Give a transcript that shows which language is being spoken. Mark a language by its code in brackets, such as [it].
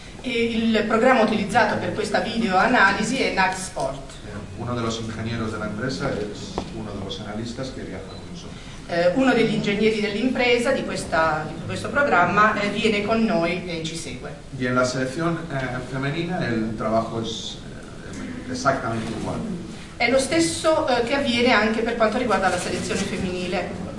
[it] E il programma utilizzato per questa videoanalisi è NAC Sport. [es] Uno de los ingenieros de la empresa es uno de los analistas que viaja con nosotros. [it] Uno degli ingegneri dell'impresa di questo programma viene con noi e ci segue. [es] Y en la selección femenina el trabajo es exactamente igual. [it] È lo stesso che avviene anche per quanto riguarda la selezione femminile.